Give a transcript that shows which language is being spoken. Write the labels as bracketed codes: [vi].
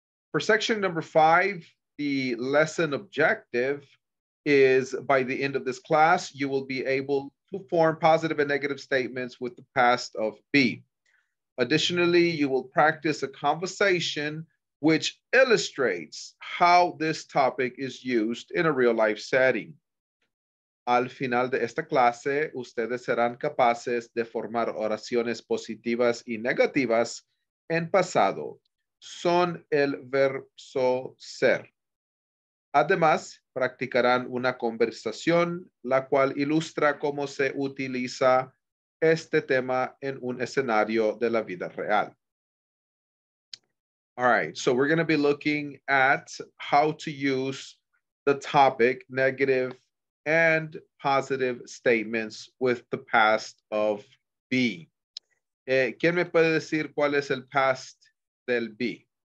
[en] For section number 5, the lesson objective is by the end of this class, you will be able to form positive and negative statements with the past of be. Additionally, you will practice a conversation which illustrates how this topic is used in a real life setting. [es] Al final de esta clase, ustedes serán capaces de formar oraciones positivas y negativas en pasado. Son el verbo ser. Además, practicarán una conversación, la cual ilustra cómo se utiliza este tema en un escenario de la vida real. [en] All right, so we're going to be looking at how to use the topic negative and positive statements with the past of be. [es] ¿Quién me puede decir cuál es el past del be?